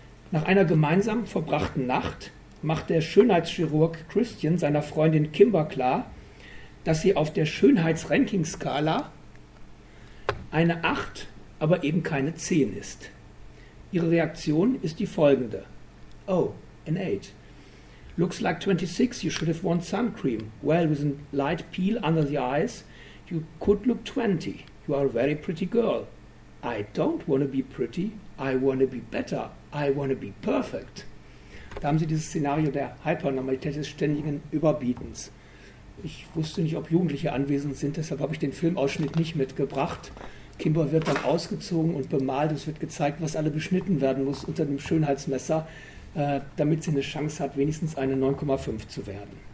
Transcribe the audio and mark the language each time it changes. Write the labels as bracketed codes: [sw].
[de] Nach einer gemeinsam verbrachten Nacht macht der Schönheitschirurg Christian seiner Freundin Kimber klar, dass sie auf der Schönheitsrankingskala eine 8, aber eben keine 10 ist. Ihre Reaktion ist die folgende. [en] Oh, an 8. Looks like 26, you should have worn sun cream. Well, with a light peel under the eyes, you could look 20. You are a very pretty girl. I don't want to be pretty, I want to be better, I want to be perfect. [de] Da haben sie dieses Szenario der Hypernormalität des ständigen Überbietens. Ich wusste nicht, ob Jugendliche anwesend sind, deshalb habe ich den Filmausschnitt nicht mitgebracht. Kimber wird dann ausgezogen und bemalt. Es wird gezeigt, was alle beschnitten werden muss unter dem Schönheitsmesser, damit sie eine Chance hat, wenigstens eine 9,5 zu werden.